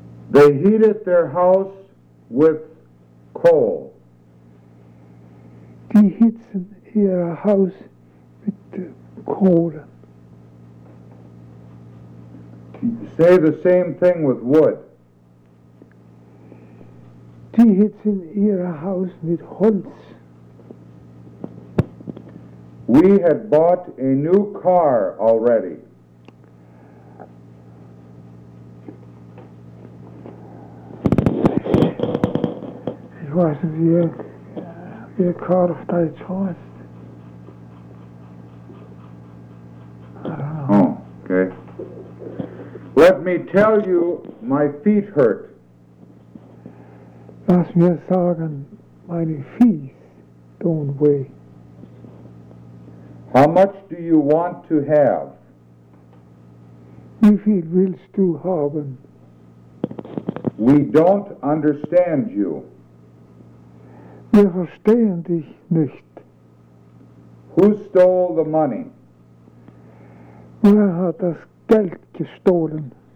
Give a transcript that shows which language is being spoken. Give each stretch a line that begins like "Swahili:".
English: They heated their house with coal.
German: Die hitzen ihr Haus mit Kohle.
English: Say the same thing with wood.
German: Die hitzen ihr Haus mit Holz.
English: We had bought a new car already.
German: Ich weiß nicht, wie ihr Car auf Deutsch heißt.
English: Oh, okay. Let me tell you, my feet hurt.
German: Lass mir sagen, meine Füße tun weh.
English: How much do you want to have?
German: Wie viel willst du haben?
English: We don't understand you.
German: Wir verstehen dich nicht.
English: Who stole the money?
German: Wer hat das Geld gestohlen?